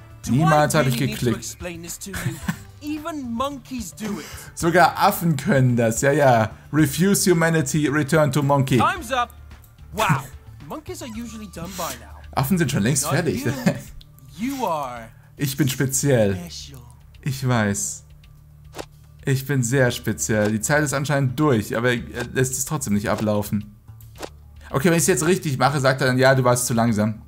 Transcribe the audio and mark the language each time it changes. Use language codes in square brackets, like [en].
[de] Niemals habe ich geklickt. [en] Even monkeys do it. [de] Sogar Affen können das, ja, ja. [en] Refuse humanity, return to monkey. Time's up. Wow. Monkeys are usually done by now. [de] Affen sind schon längst fertig. [en] You are [de] ich bin speziell. Ich weiß. Ich bin sehr speziell. Die Zeit ist anscheinend durch, aber er lässt es trotzdem nicht ablaufen. Okay, wenn ich es jetzt richtig mache, sagt er dann, ja, du warst zu langsam.